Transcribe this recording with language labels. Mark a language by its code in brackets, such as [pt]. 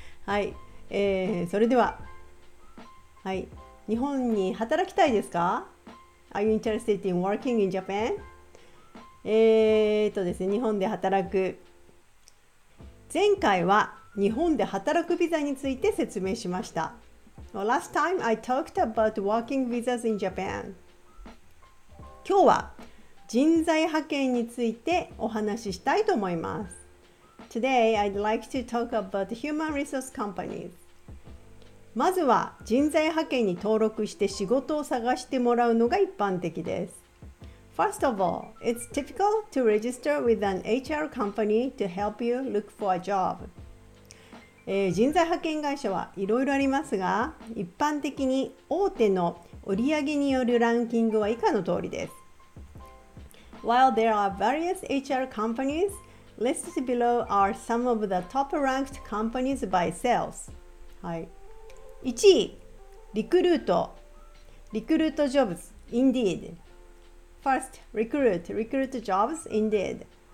[ja] はい、それでは、はい、日本に働きたいですか？ [en] Are you interested in working in Japan? [ja] ですね、日本で働く、前回は日本で働くビザについて説明しました。 [en] Well, last time I talked about working visas in Japan. [ja] 今日は人材派遣についてお話ししたいと思います。 [en] Today I'd like to talk about human resource companies. [ja] まずは人材派遣に登録して仕事を探してもらうのが一般的です。 [en] First of all, it's typical to register with an HR company to help you look for a job. [ja] 人材派遣会社はいろいろありますが、一般的に大手の売上によるランキングは以下の通りです。 [en] While there are various HR companies, listed below are some of the top ranked companies by sales. [ja] はい、1位、リクルート、リクルートジョブズ、Indeed。 [en] First, recruit, recruit jobs, indeed.